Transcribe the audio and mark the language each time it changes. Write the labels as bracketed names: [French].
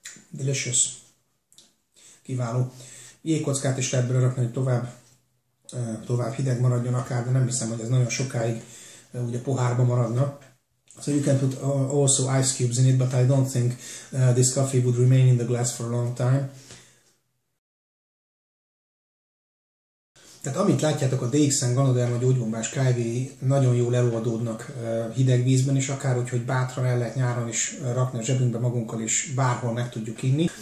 [Hungarian] Delicious. Kiváló. Jégkockát is lehet belerakni, hogy tovább hideg maradjon akár, de nem hiszem, hogy ez nagyon sokáig ugye pohárba maradna. [English] So you can put also ice cubes in it, but I don't think this coffee would remain in the glass for a long time. [Hungarian] Tehát amit látjátok, a DXN Ganoderma gyógybombás kávé nagyon jól eloldódnak hideg vízben is, akár úgyhogy bátran el lehet nyáron is rakni a zsebünkbe magunkkal, és bárhol meg tudjuk inni.